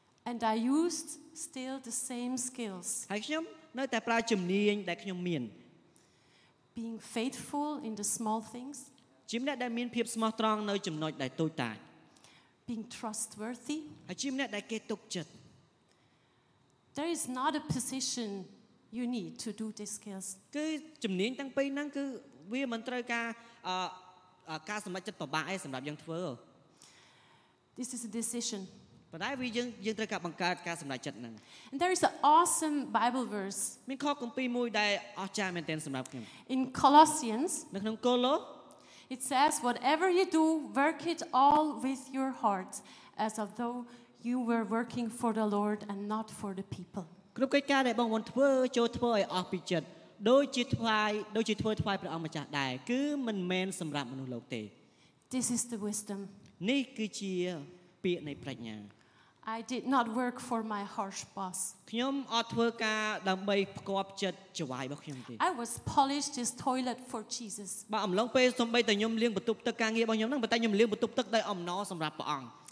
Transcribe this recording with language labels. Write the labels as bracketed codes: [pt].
[en] And I used still the same skills. [km] ហើយខ្ញុំនៅតែប្រើជំនាញដែលខ្ញុំមាន [en] Being faithful in the small things. [km] ជាអ្នកដែលមានភាពស្មោះត្រង់នៅចំណុចដែលតូចតាច [en] Being trustworthy. [km] ហើយជាអ្នកដែលគេទុកចិត្ត [en] There is not a position you need to do these skills. [km] គឺជំនាញទាំងពីរហ្នឹងគឺវាមិនត្រូវការការសម្រេចចិត្តពិបាកឯងសម្រាប់យើងធ្វើ [en] This is a decision. [km] ប៉ុន្តែវាយើងត្រូវការបង្កើតការសម្រេចចិត្តហ្នឹង [en] And there is an awesome Bible verse. [km] មានខគម្ពីរមួយដែលអស្ចារ្យមែនទែនសម្រាប់ខ្ញុំ [en] In Colossians. [km] នៅក្នុង Colossians [en] It says whatever you do work it all with your heart as though you were working for the Lord and not for the people. [km] គ្រប់កិច្ចការដែលបងប្អូនធ្វើចូលធ្វើឲ្យអស់ពីចិត្តដូចជាធ្វើថ្វាយព្រះអង្គម្ចាស់ដែរគឺមិនមែនសម្រាប់មនុស្សលោកទេ [en] This is the wisdom [km] នេះគឺជាពាក្យនៃប្រាជ្ញា [en] I did not work for my harsh boss [km] ខ្ញុំអត់ធ្វើការដើម្បីផ្គាប់ចិត្តចៅហ្វាយរបស់ខ្ញុំទេ [en] I was polished this toilet for Jesus [km] បាទអំឡុងពេលសំបីតខ្ញុំលាងបន្ទប់ទឹកការងាររបស់ខ្ញុំហ្នឹងតែខ្ញុំលាងបន្ទប់ទឹកដោយអំណរសម្រាប់ព្រះអង្គ